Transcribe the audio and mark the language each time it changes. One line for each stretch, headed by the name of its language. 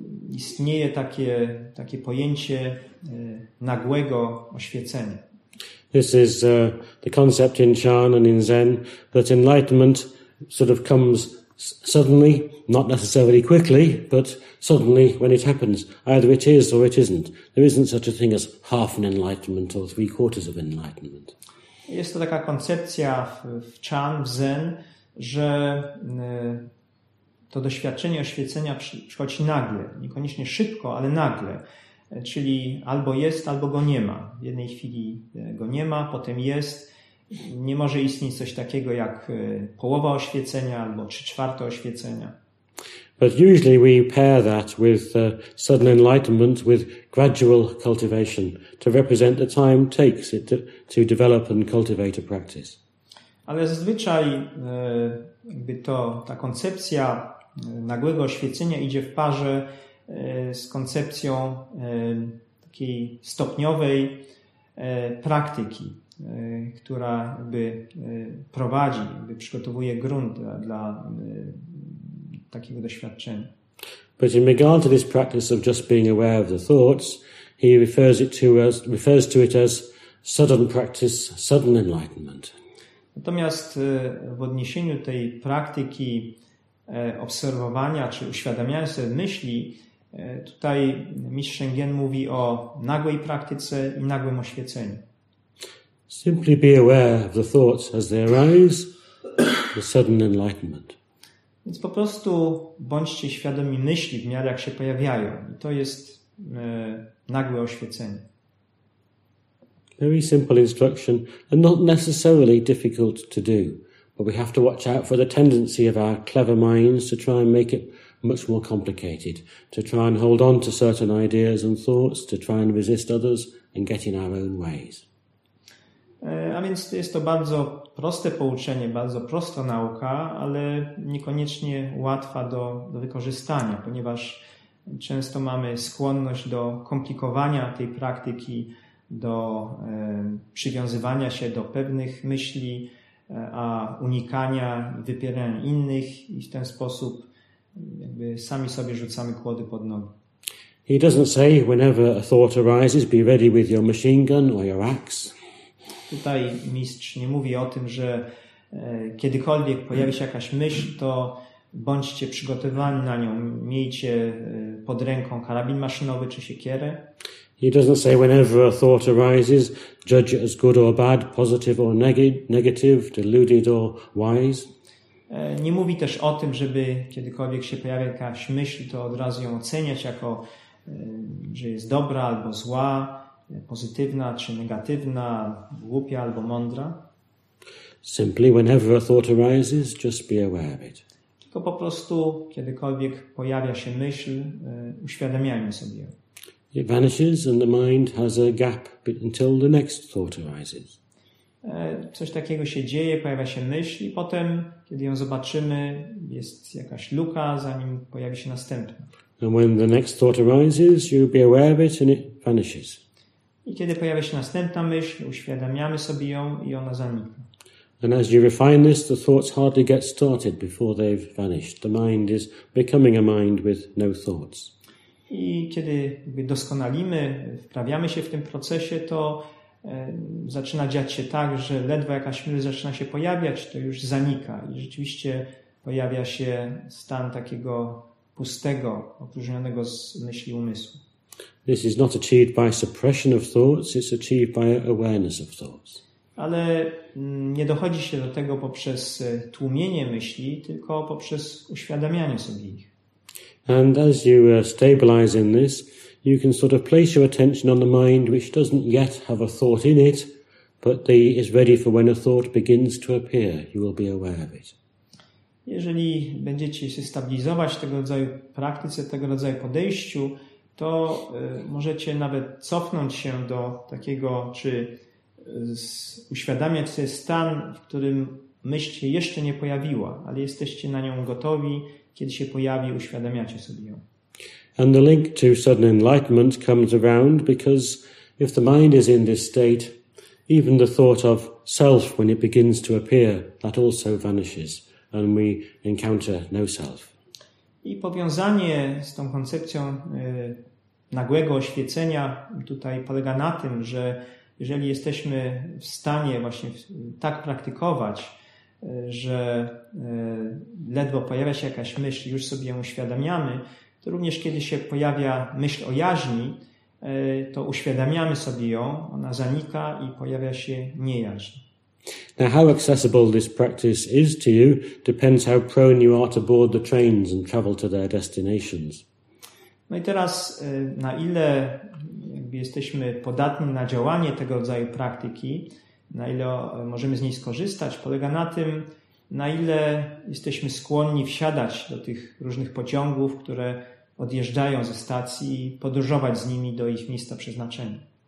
Polish: istnieje takie pojęcie nagłego oświecenia.
English: This is the concept in Chan and in Zen that enlightenment sort of comes suddenly, not necessarily quickly, but suddenly when it happens. Either it is or it isn't. There isn't such a thing as half an enlightenment or three quarters of enlightenment.
Polish: Jest to taka koncepcja w Chan, w Zen, że to doświadczenie oświecenia przychodzi nagle, niekoniecznie szybko, ale nagle. Czyli albo jest, albo go nie ma. W jednej chwili go nie ma, potem jest. Nie może istnieć coś takiego jak połowa oświecenia albo 3/4 oświecenia.
English: But usually we pair that with sudden enlightenment with gradual cultivation to represent the time takes it to develop and cultivate a practice.
Polish: Ale zazwyczaj jakby to ta koncepcja nagłego oświecenia idzie w parze z koncepcją takiej stopniowej praktyki, która jakby prowadzi, jakby przygotowuje grunt dla takiego doświadczenia.
English: But in regard to this practice of just being aware of the thoughts, he refers to it as sudden practice, sudden enlightenment.
Polish: Natomiast w odniesieniu tej praktyki obserwowania czy uświadamiania sobie myśli, tutaj mistrz Shengen mówi o nagłej praktyce i nagłym oświeceniu.
English: Simply be aware of the thoughts as they arise, the sudden enlightenment.
Polish: Więc po prostu bądźcie świadomi myśli w miarę jak się pojawiają. I to jest nagłe oświecenie.
English: Very simple instruction and not necessarily difficult to do. But we have to watch out for the tendency of our clever minds to try and make it much more complicated. To try and hold on to certain ideas and thoughts, to try and resist others and get in our own ways.
Polish: A więc jest to bardzo proste pouczenie, bardzo prosta nauka, ale niekoniecznie łatwa do wykorzystania, ponieważ często mamy skłonność do komplikowania tej praktyki, do przywiązywania się do pewnych myśli, a unikania i wypierania innych i w ten sposób jakby sami sobie rzucamy kłody pod nogi.
English: He doesn't say whenever a thought arises, be ready with your machine gun or your axe.
Polish: Tutaj mistrz nie mówi o tym, że kiedykolwiek pojawi się jakaś myśl, to bądźcie przygotowani na nią. Miejcie pod ręką karabin maszynowy czy siekierę.
English: He doesn't say whenever a thought arises, judge it as good or bad, positive or negative, deluded or wise.
Polish: Nie mówi też o tym, żeby kiedykolwiek się pojawia jakaś myśl, to od razu ją oceniać jako, że jest dobra albo zła. Pozytywna czy negatywna, głupia albo mądra.
English: Simply whenever a thought arises, just be aware of it.
Polish: Tylko po prostu, kiedykolwiek pojawia się myśl, uświadamiajmy sobie ją.
English: It vanishes and the mind has a gap until the next thought arises.
Polish: Coś takiego się dzieje, pojawia się myśl i potem, kiedy ją zobaczymy, jest jakaś luka, zanim pojawi się następna.
English: And when the next thought arises, you'll be aware of it and it vanishes.
Polish: I kiedy pojawia się następna myśl, uświadamiamy sobie ją i ona zanika.
English: And as you refine this, the thoughts hardly get started before they've vanished. The mind is becoming a mind with no thoughts.
Polish: I kiedy doskonalimy, wprawiamy się w tym procesie, to zaczyna dziać się tak, że ledwo jakaś myśl zaczyna się pojawiać, to już zanika. I rzeczywiście pojawia się stan takiego pustego, opróżnionego z myśli umysłu.
English: This is not achieved by suppression of thoughts, it's achieved by awareness of thoughts.
Polish: Ale nie dochodzi się do tego poprzez tłumienie myśli, tylko poprzez uświadamianie sobie ich.
English: And as you stabilize in this, you can sort of place your attention on the mind which doesn't yet have a thought in it, but is ready for when a thought begins to appear, you will be aware of it.
Polish: Jeżeli będziecie się stabilizować w tego rodzaju praktyce, tego rodzaju podejściu, to możecie nawet cofnąć się do takiego, czy uświadamiać sobie stan, w którym myśl się jeszcze nie pojawiła, ale jesteście na nią gotowi, kiedy się pojawi, uświadamiacie sobie ją.
English: And the link to sudden enlightenment comes around because if the mind is in this state, even the thought of self, when it begins to appear, that also vanishes and we encounter no self.
Polish: I powiązanie z tą koncepcją nagłego oświecenia tutaj polega na tym, że jeżeli jesteśmy w stanie właśnie tak praktykować, że ledwo pojawia się jakaś myśl, już sobie ją uświadamiamy, to również kiedy się pojawia myśl o jaźni, to uświadamiamy sobie ją, ona zanika i pojawia się niejaźń.
English: Now, how accessible this practice is to you depends how prone you are to board the trains and travel to their destinations.
Polish: No i teraz, na ile jesteśmy podatni na działanie tego rodzaju praktyki, na ile możemy z niej skorzystać, polega na tym, na ile jesteśmy skłonni wsiadać do tych różnych pociągów, które odjeżdżają ze stacji, i podróżować z nimi do ich miejsca przeznaczenia.